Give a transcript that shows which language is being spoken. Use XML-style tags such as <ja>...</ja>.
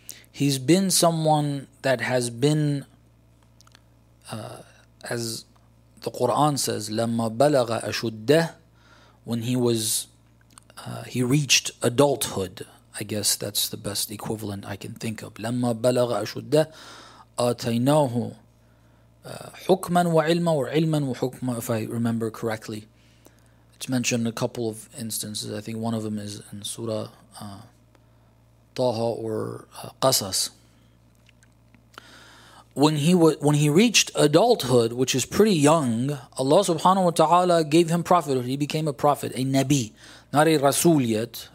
<en>he's been someone that has been, as the Quran says,</en> <ar>لَمَّا بَلَغَ أَشُدَّهُ,</ar> <en>when he reached adulthood. I guess that's the best equivalent I can think of.</en> <ar>لَمَّا بَلَغَ أَشُدَّهُ آتَيْنَاهُ حُكْمًا وَعِلْمًا وَعِلْمًا وَحُكْمًا,</ar> <en>if I remember correctly. It's mentioned a couple of instances. I think one of them is in Surah Taha or Qasas. When he reached adulthood, which is pretty young, Allah subhanahu wa ta'ala gave him prophethood. He became a prophet, a Nabi, not a Rasul yet.</en>